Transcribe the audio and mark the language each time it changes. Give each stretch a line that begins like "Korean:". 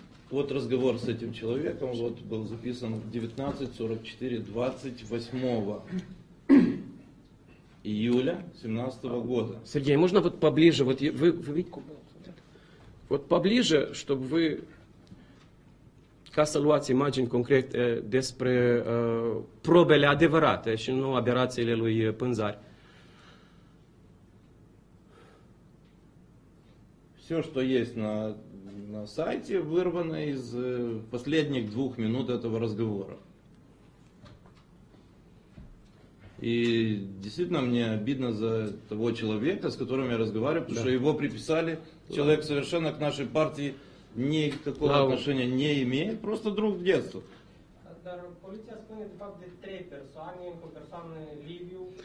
Russian: вот разговор с этим человеком вот был записан в 19:44 28 июля 2017 года. Сергей, можно вот поближе, вот вы вот поближе, чтобы вы
Romanian: ca să luați imagini concrete despre probele adevărate și nu aberațiile lui Pânzari.
Russian: Все, что есть на сайте вырвано из последних двух минут этого разговора. И действительно мне обидно за того человека, с которым я разговариваю, потому что его приписали. Человек совершенно к нашей партии никакого отношения не имеет, просто друг детства.
Romanian: Poliția spune de fapt de trei persoane, cu o persoană Liviu.